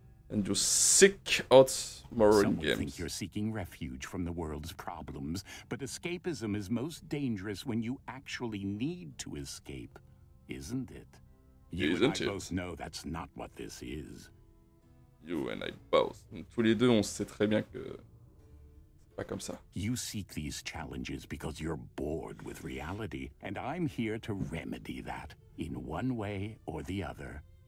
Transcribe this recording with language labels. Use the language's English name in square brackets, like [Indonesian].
[English] And you seek out more in games. Some think you're seeking refuge from the world's problems, but escapism is most dangerous when you actually need to escape, isn't it? You and I both know that's not what this is. You and I both. [French] Donc, tous les deux, on sait très bien que c'est pas comme ça. [English] You seek these challenges because you're bored with reality, and I'm here to remedy that in one way or the other.